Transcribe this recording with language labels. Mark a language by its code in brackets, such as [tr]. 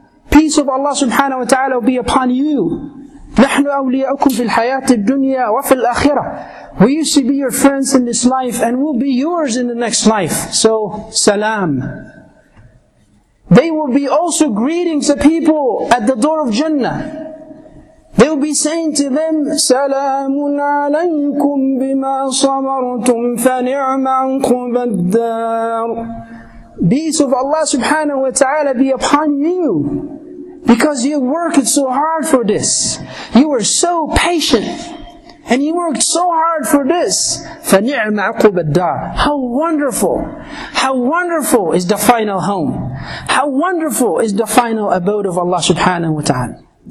[en] Peace of Allah subhanahu wa ta'ala will be upon you. [ar] نَحْنُ أَوْلِيَاءُكُمْ فِي الْحَيَاةِ الدُّنْيَا وَفِي الْآخِرَةِ. [en] We used to be your friends in this life and will be yours in the next life. So, salam. They will be also greeting the people at the door of Jannah. They will be saying to them, [ar] سَلَامٌ عَلَيْكُمْ بِمَا صَبَرْتُمْ فَنِعْمَ عُقْبَى الدَّارِ. [en] Peace of Allah subhanahu wa ta'ala be upon you. Because you worked so hard for this. You were so patient. And you worked so hard for this. [ar] فَنِعْمَ عُقْبَى الدَّارِ. [en] How wonderful. How wonderful is the final home. How wonderful is the final abode of Allah subhanahu wa ta'ala.